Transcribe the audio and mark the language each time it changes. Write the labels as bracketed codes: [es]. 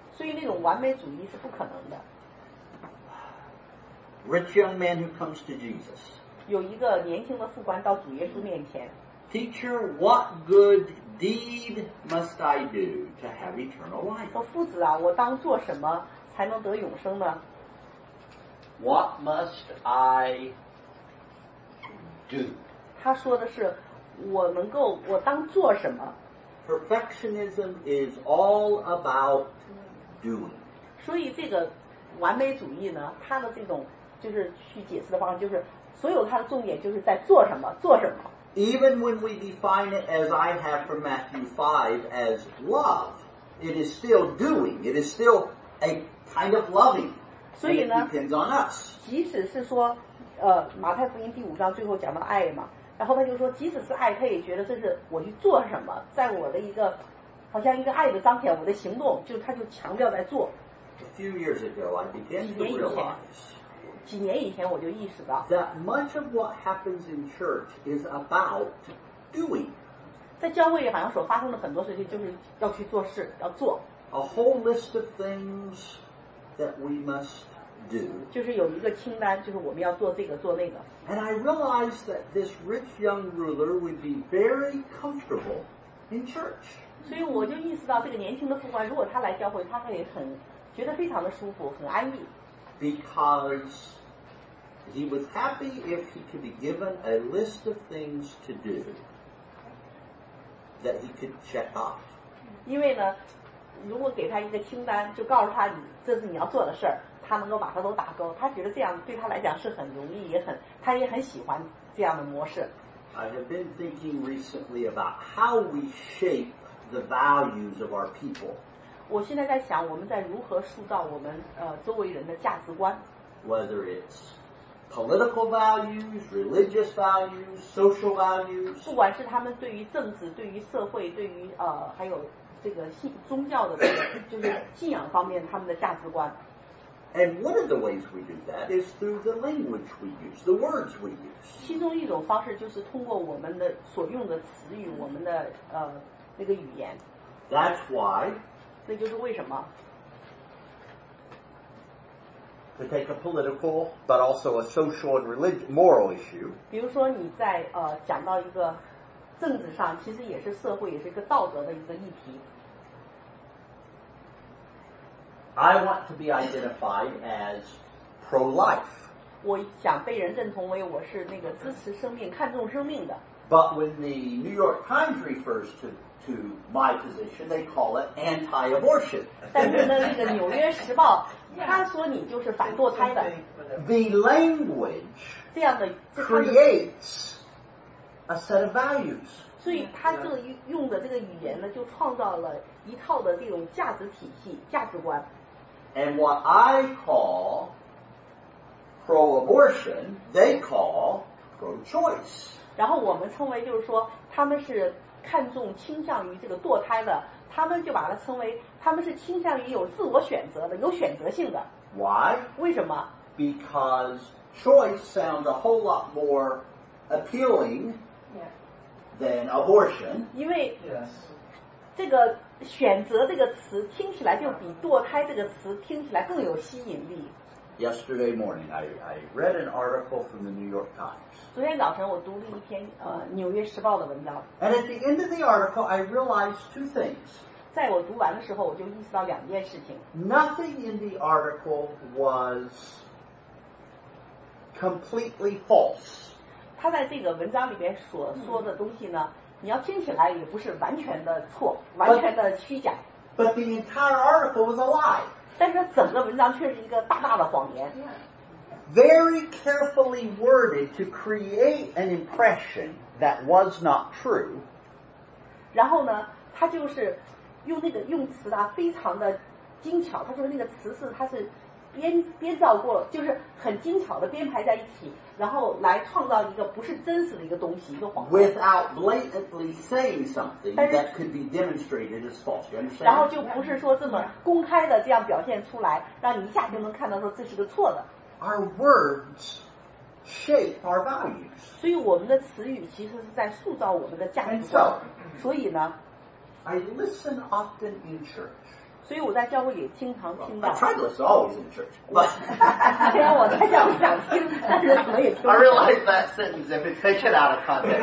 [zh] 所以那种完美主义是不可能的。 [en] Rich young man who comes to Jesus. [zh] 有一个年轻的副官到主耶稣面前。 [en] Teacher, what good deed must I do to have eternal life? [zh] 我父子啊，我当做什么才能得永生呢？ [en] What must I do? [zh] 他说的是，我能够，我当做什么？ [en] Perfectionism is all about doing. [zh] 所以这个完美主义呢，他的这种就是去解释的方式，就是所有他的重点就是在做什么，做什么。 [en] Even when we define it as I have from Matthew 5 as love, it is still doing. It is still a kind of loving. [zh] 所以呢， [en] it depends on us. [zh] 即使是说，马太福音第五章最后讲到爱嘛，然后他就说，即使是爱，他也觉得这是我去做什么，在我的一个好像一个爱的彰显，我的行动，就他就强调在做。 [en] A few years ago, I began to realize. [zh] 几年以前我就意识到 [en] that much of what happens in church is about doing. [zh] 在教会好像所发生的很多事情就是要去做事，要做。 [en] A whole list of things that we must do. [zh] 就是有一个清单，就是我们要做这个，做那个。 [en] And I realized that this rich young ruler would be very comfortable in church. [zh] 所以我就意识到，这个年轻的富官，如果他来教会，他会很觉得非常的舒服，很安逸。 Because he was happy if he could be given a list of things to do that he could check off. 因为呢，如果给他一个清单，就告诉他这是你要做的事儿，他能够把它都打勾。他觉得这样对他来讲是很容易，也很，他也很喜欢这样的模式。 [en] I have been thinking recently about how we shape the values of our people. [zh] 我现在在想，我们在如何塑造我们周围人的价值观。 [en] Whether it's political values, religious values, social values. [zh] 不管是他们对于政治、对于社会、对于还有这个信宗教的这个就是信仰方面他们的价值观。 [en] And one of the ways we do that is through the language we use, the words we use. [zh] 其中一种方式就是通过我们的所用的词语，我们的那个语言。 [en] That's why. [zh] 那就是为什么 [en] to take a political but also a social and religious moral issue [zh] 比如说你在讲到一个政治上其实也是社会也是一个道德的一个议题 [en] I want to be identified as pro-life [zh] 我想被人认同为我是那个支持生命看重生命的 [en] but when the New York Times refers to to my position, they call it anti-abortion. [zh] 但是呢，那个《纽约时报》他说你就是反堕胎的。 [en] The language [zh] 这样的 [en] creates a set of values. [zh] 所以他这用的这个语言呢，就创造了一套的这种价值体系、价值观。 [en] And what I call pro-abortion, they call pro-choice. [zh] 然后我们称为就是说，他们是。看重倾向于这个堕胎的他们就把它称为他们是倾向于有自我选择的有选择性的 [en] Why? [zh] 为什么 [en] Because choice sounds a whole lot more appealing than abortion [zh] 因为这个选择这个词听起来就比堕胎这个词听起来更有吸引力 [en] Yesterday morning I read an article from the New York Times [zh] 昨天早晨我读了一篇纽约时报的文章 [en] And at the end of the article I realized two things [zh] 在我读完的时候我就意识到两件事情 [en] Nothing in the article was completely false [zh] 他在这个文章里面所说的东西呢你要听起来也不是完全的错完全的虚假 [en] But the entire article was a lie [zh] 但是整个文章却是一个大大的谎言、 [en] yeah. Very carefully worded to create an impression that was not true. [zh] 然后呢，他就是用那个用词啊，非常的精巧。他说那个词是他是编造过，就是很精巧的编排在一起，然后来创造一个不是真实的一个东西，一个谎言。 [en] Without blatantly saying something that could be demonstrated as false, you understand? [zh] 然后就不是说这么公开的这样表现出来，让你一下就能看到说这是个错的。 [en] Our words shape our values. [zh] 所以我们的词语其实是在塑造我们的价值观。 [en] And so, [zh] 所以呢 [en] I listen often in church. [zh] 所以我在教会也经常听到。 [en] I try to listen always in church. But [zh] 虽然我在教会想听，但是怎么也听不到。 [en] I realize that sentence if it takes it out of context.